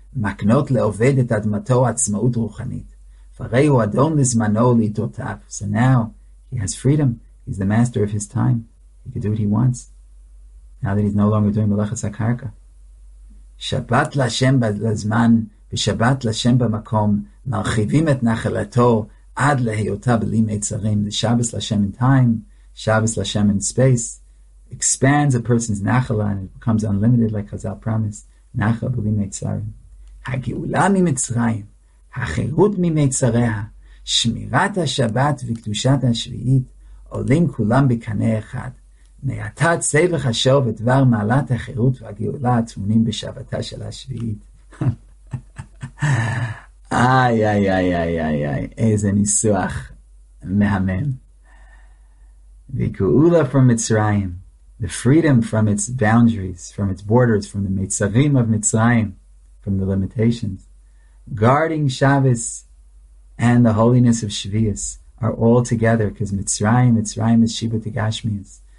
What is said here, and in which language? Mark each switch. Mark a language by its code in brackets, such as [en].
[he] מקנות לעובד את אדמתו עצמאות רוחנית. פרי הוא אדון לזמנו לעיתותיו. [en] So now, he has freedom. He's the master of his time. He can do what he wants. Now that he's no longer doing [he] מלאכת הקרקע. שבת לשם בזמן ושבת לשם במקום מרחיבים את נחלתו עד להיותה בלי מיצרים. [en] The Shabbos לשם in time, Shabbos לשם in space, expands a person's נחלה and it becomes unlimited like Chazal promised. [he] נחה בלי מיצרים. הגאולה ממצרים, החירות ממיצריה, שמירת השבת וקדושת השביעית, עולים כולם בקנה אחד. מעתה צבח השור ודבר מעלת החירות והגאולה התמונים בשבתה של השביעית. איי, איי, איי, איי, איי, איי, איזה ניסוח מהמם. [en] וגאולה from מצרים, the freedom from its boundaries, from its borders, from the מיצרים of מצרים, from the limitations. Guarding Shabbos and the holiness of Shviyas are all together, because Mitzrayim is Shibut HaGashmiyus.